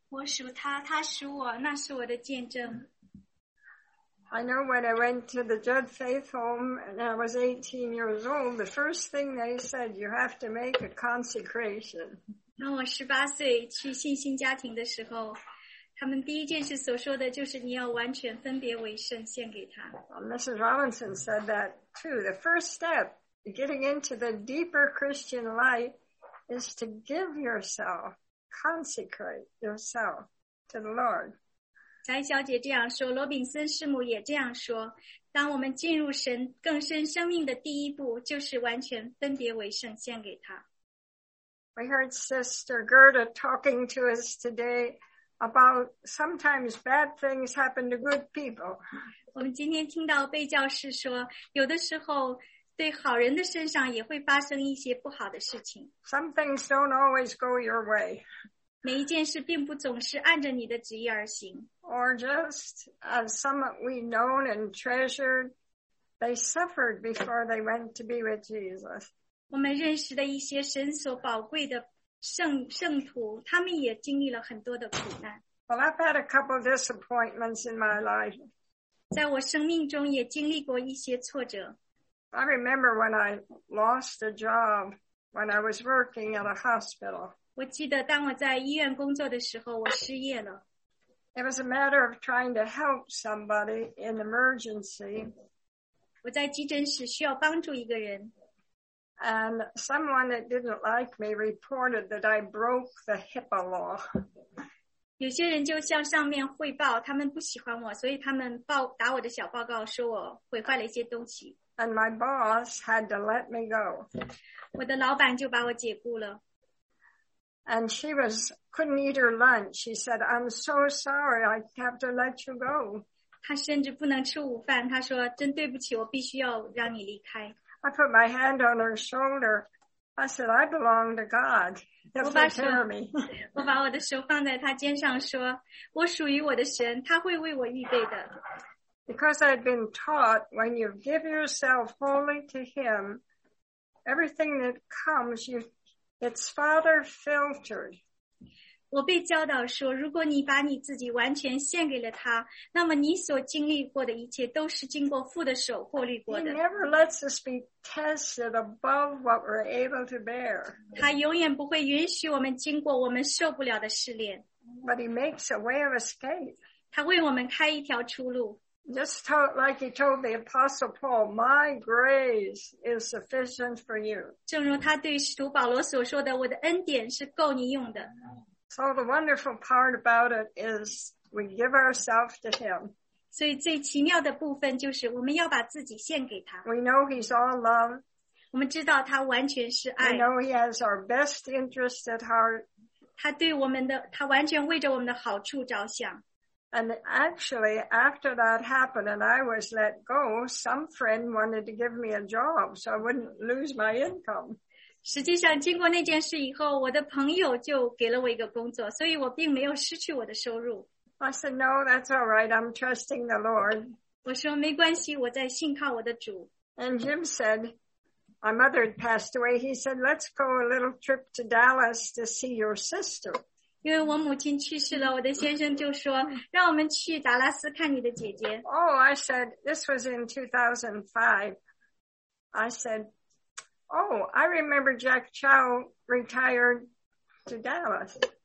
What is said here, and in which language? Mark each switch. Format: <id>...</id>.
<zh>我属他，他属我，那是我的见证。</zh> <en>I know when I went to the Judd Faith Home and I was 18 years old, the first thing they said, you have to make a consecration.</en> <zh>当我18岁去信心家庭的时候，他们第一件事所说的就是你要完全分别为圣，献给他。</zh> <en>Well, Mrs. Robinson said that too. The first step in getting into the deeper Christian life is to give yourself, consecrate yourself to the Lord.</en> <zh>翟小姐这样说，罗炳森师母也这样说，当我们进入神更深生命的第一步，就是完全分别为圣，献给他。</zh> <en>We heard Sister Gerda talking to us today about sometimes bad things happen to good people.</en> <zh>我们今天听到贝教士说，有的时候对好人的身上也会发生一些不好的事情。</zh> <en>Some things don't always go your way.</en> <zh>每一件事并不总是按着你的旨意而行。</zh> <en>Or just as some we known and treasured, they suffered before they went to be with Jesus.</en> <zh>我们认识的一些神所宝贵的圣徒，他们也经历了很多的苦难。</zh> <en>Well, I've had a couple of disappointments in my life.</en> <zh>在我生命中也经历过一些挫折。</zh> <en>I remember when I lost a job when I was working at a hospital.</en> <zh>我记得当我在医院工作的时候，我失业了。</zh> <en>It was a matter of trying to help somebody in emergency.</en> <zh>我在急诊室需要帮助一个人。</zh> <en>And someone that didn't like me reported that I broke the HIPAA law.</en> <zh>有些人就向上面汇报，他们不喜欢我，所以他们报打我的小报告，说我毁坏了一些东西。</zh> <en>And my boss had to let me go.</en> <zh>我的老板就把我解雇了。</zh> <en>And she was couldn't eat her lunch. She said, "I'm so sorry, I have to let you go."</en> <zh>她甚至不能吃午饭，她说，真对不起，我必须要让你离开。</zh> <en>I put my hand on her shoulder. I said, "I belong to God. He'll take care of me."</en> <zh>我把我的手放在他肩上，说，我属于我的神，他会为我预备的。</zh> <en>Because I had been taught, when you give yourself wholly to Him, everything that comes, it's Father filtered.</en> <zh>我被教导说，如果你把你自己完全献给了他，那么你所经历过的一切都是经过父的手过滤过的。</zh> <en>He never lets us be tested above what we're able to bear.</en> <zh>他永远不会允许我们经过我们受不了的试炼。</zh> <en>But He makes a way of escape.</en> <zh>他为我们开一条出路。</zh> <en>Just like He told the Apostle Paul, "My grace is sufficient for you."</en> <zh>正如他对使徒保罗所说的，我的恩典是够你用的。</zh> <en>So the wonderful part about it is we give ourselves to Him.</en> <zh>所以最奇妙的部分就是我们要把自己献给他。</zh> <en>We know He's all love.</en> <zh>我们知道他完全是爱。</zh> <en>We know He has our best interest at heart.</en> <zh>他对我们的，他完全为着我们的好处着想。</zh> <en>And actually, after that happened and I was let go, some friend wanted to give me a job so I wouldn't lose my income.</en> <zh>实际上经过那件事以后，我的朋友就给了我一个工作，所以我并没有失去我的收入。</zh> <en>I said, "No, that's all right. I'm trusting the Lord."</en> <zh>我说没关系，我在信靠我的主。</zh> <en>And Jim said, my mother had passed away. He said, "Let's go a little trip to Dallas to see your sister."</en> <zh>因为我母亲去世了，我的先生就说，让我们去达拉斯看你的姐姐。</zh> <en>Oh, I said, this was in 2005. I said,Oh, I remember Jack Chow retired to Dallas.</en>